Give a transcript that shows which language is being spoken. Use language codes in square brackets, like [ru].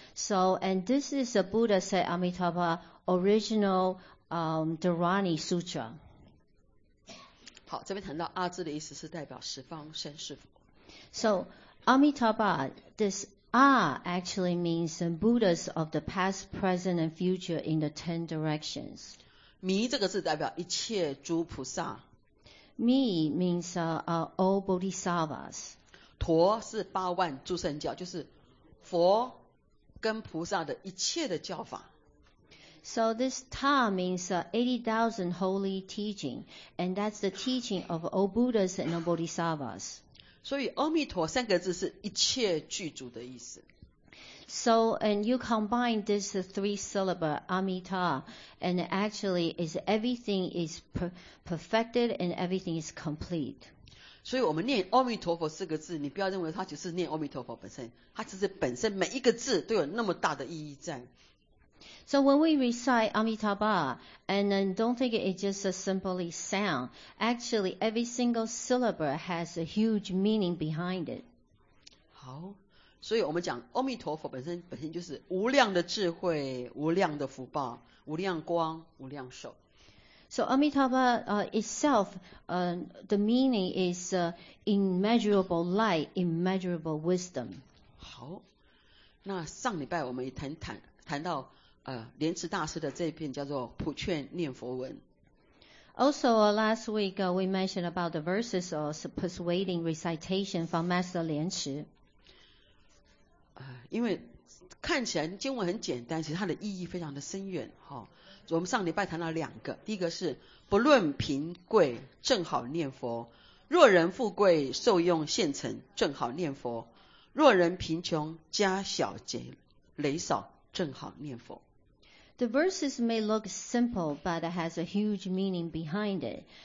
[en] So, and this is a Buddha said Amitabha original Dharani sutra. [zh] 好，这边谈到阿字的意思是代表十方三世佛。 [en] So, Amitabha, this A actually means the Buddhas of the past, present, and future in the ten directions. [zh] 弥这个字代表一切诸菩萨。 [en] 弥 means all bodhisattvas. [zh] 陀是八万诸圣教，就是佛跟菩萨的一切的教法。 [en] So this Ta means 80,000 holy teaching, and that's the teaching of all Buddhas and all Bodhisattvas. [zh] 所以阿弥陀三个字是一切具足的意思。 [en] So and you combine this three syllable Amita, and actually is everything is perfected and everything is complete. [zh] 所以我们念阿弥陀佛四个字，你不要认为它只是念阿弥陀佛本身，它只是本身每一个字都有那么大的意义在。 [en] So when we recite Amitabha, and then don't think it's just a simply sound. Actually, every single syllable has a huge meaning behind it. [zh] 好，所以我们讲阿弥陀佛本身就是无量的智慧、无量的福报、无量光、无量寿。 [en] So Amitabha itself, the meaning is immeasurable light, immeasurable wisdom. [zh] 好，那上礼拜我们也谈到莲池大师的这一篇叫做普劝念佛文。 [en] Also, last week we mentioned about the verses or persuading recitation from Master 莲池。 [zh] 因为看起来经文很简单，其实它的意义非常的深远，哈。我们上礼拜谈了两个，第一个是不论贫贵正好念佛，若人富贵受用现成正好念佛，若人贫穷家小节累少正好念佛。 [en] The verses may look simple but it has a huge meaning behind it.